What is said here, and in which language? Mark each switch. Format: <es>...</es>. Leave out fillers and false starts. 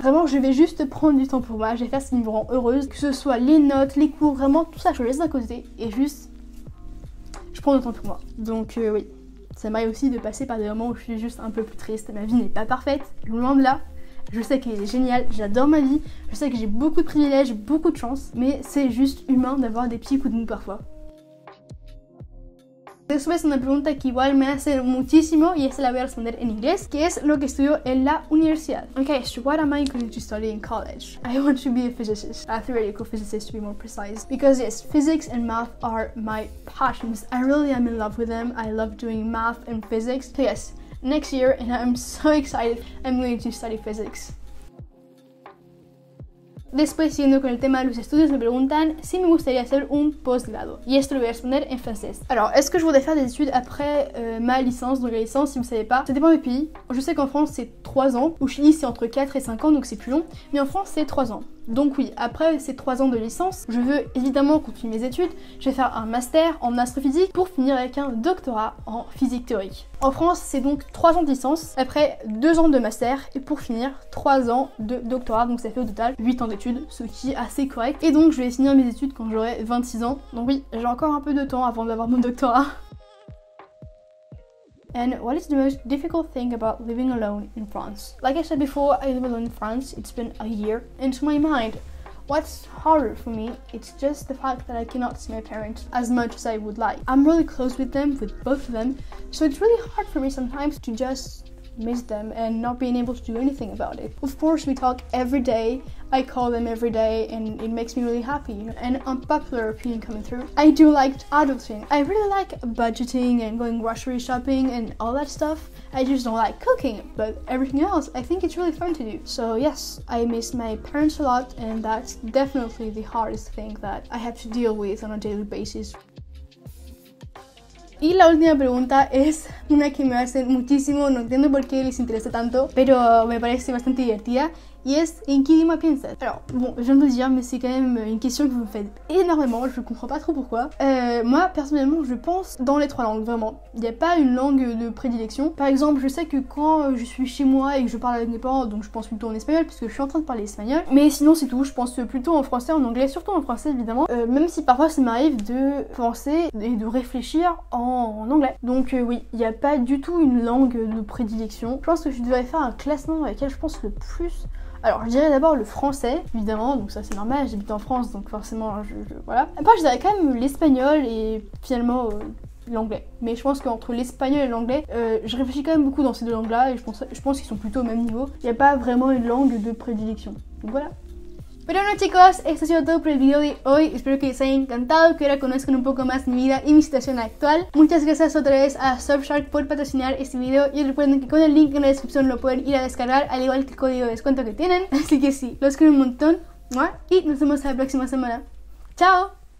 <fr>Vraiment, je vais juste prendre du temps pour moi, je vais faire ce qui me rend heureuse. Que ce soit les notes, les cours, vraiment tout ça, je laisse d'un côté et juste, je prends du temps pour moi. Donc oui, ça m'arrive aussi de passer par des moments où je suis juste un peu plus triste. Ma vie n'est pas parfaite, loin de là. Je sais qu'elle est géniale, j'adore ma vie. Je sais que j'ai beaucoup de privilèges, beaucoup de chance, mais c'est juste humain d'avoir des petits coups de mou parfois.</fr> <es>Después una pregunta que igual me hace muchísimo y esa la voy a responder en inglés, que es lo que estudio en la universidad.</es> <en>Okay, so what am I going to study in college? I want to be a physicist, a theoretical physicist to be more precise. Because yes, physics and math are my passions. I really am in love with them. I love doing math and physics. So yes, next year, and I'm so excited, I'm going to study physics.</en> <es>Después, siguiendo con el tema de los estudios, me preguntan si me gustaría hacer un posgrado. Y esto lo voy a responder en francés.</es> <fr>Alors, est-ce que je voudrais faire des études après ma licence? Donc la licence, si vous ne savez pas, ça dépend du pays. Je sais qu'en France, c'est 3 ans. Au Chili, c'est entre 4 et 5 ans, donc c'est plus long. Mais en France, c'est 3 ans. Donc oui, après ces 3 ans de licence, je veux évidemment continuer mes études. Je vais faire un master en astrophysique pour finir avec un doctorat en physique théorique. En France, c'est donc 3 ans de licence, après 2 ans de master, et pour finir, 3 ans de doctorat. Donc ça fait au total 8 ans d'études, ce qui est assez correct. Et donc je vais finir mes études quand j'aurai 26 ans. Donc oui, j'ai encore un peu de temps avant d'avoir mon doctorat.</fr> <en>And what is the most difficult thing about living alone in France? Like I said before, I live alone in France, it's been a year. And to my mind, what's harder for me, it's just the fact that I cannot see my parents as much as I would like. I'm really close with them, with both of them, so it's really hard for me sometimes to just miss them and not being able to do anything about it. Of course, we talk every day. I call them every day and it makes me really happy. An unpopular opinion coming through. I do like adulting. I really like budgeting and going grocery shopping and all that stuff. I just don't like cooking, but everything else, I think it's really fun to do. So yes, I miss my parents a lot, and that's definitely the hardest thing that I have to deal with on a daily basis.</en> <es>Y la última pregunta es una que me hacen muchísimo, no entiendo por qué les interesa tanto, pero me parece bastante divertida. Y es, ¿en qué idioma piensas?</es> <fr>Alors, bon, je viens de le dire, mais c'est quand même une question que vous me faites énormément, je comprends pas trop pourquoi. Moi, personnellement, je pense dans les trois langues, vraiment. Il n'y a pas une langue de prédilection. Par exemple, je sais que quand je suis chez moi et que je parle avec mes parents, donc je pense plutôt en espagnol, puisque je suis en train de parler espagnol. Mais sinon, c'est tout, je pense plutôt en français, en anglais, surtout en français, évidemment. Même si parfois, ça m'arrive de penser et de réfléchir en anglais. Donc oui, il n'y a pas du tout une langue de prédilection. Je pense que je devrais faire un classement dans lequel je pense le plus. Alors, je dirais d'abord le français, évidemment, donc ça c'est normal, j'habite en France, donc forcément, voilà. Après, je dirais quand même l'espagnol et finalement l'anglais. Mais je pense qu'entre l'espagnol et l'anglais, je réfléchis quand même beaucoup dans ces deux langues-là, et je pense qu'ils sont plutôt au même niveau. Il n'y a pas vraiment une langue de prédilection, donc voilà.</fr> <es>Pero bueno, chicos, esto ha sido todo por el video de hoy. Espero que les haya encantado, que ahora conozcan un poco más mi vida y mi situación actual. Muchas gracias otra vez a Surfshark por patrocinar este video. Y recuerden que con el link en la descripción lo pueden ir a descargar, al igual que el código de descuento que tienen. Así que sí, los quiero un montón. Y nos vemos la próxima semana. ¡Chao!</es>